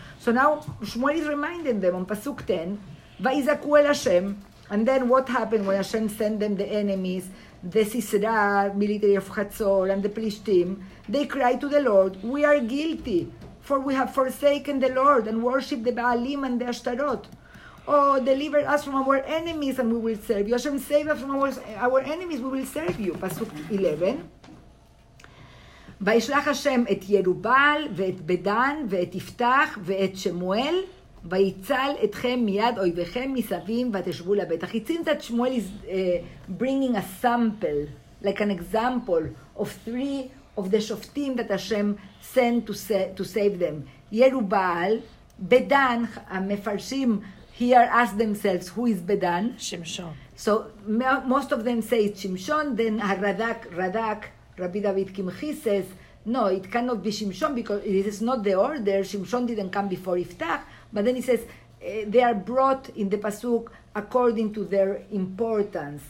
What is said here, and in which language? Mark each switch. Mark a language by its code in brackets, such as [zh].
[en] So now, Shmuel is reminding them on Pasuk 10, Vayizaku el Hashem, and then what happened when Hashem sent them the enemies, the Sisera, military of Hazor, and the Plishtim? They cried to the Lord, we are guilty, for we have forsaken the Lord, and worshipped the Baalim and the Ashtaroth. Oh, deliver us from our enemies, and we will serve you. Hashem, save us from our enemies, we will serve you. Pasuk 11. [he] וישלח השם את ירובל ואת בדן ואת יפתח ואת שמואל ויצל אתכם מיד אויביכם מסביב ותשבו לבטח. [en] It seems that Shmuel is bringing a sample, like an example of three of the Shoftim that Hashem sent to save them. ירובל, בדן, המפרשים here ask themselves, who is בדן? [he] שמשון. [en] So most of them say it's שמשון, then הרדק, Rabbi David Kimchi says, no, it cannot be Shimshon because it is not the order. Shimshon didn't come before Iftach. But then he says, they are brought in the Pasuk according to their importance.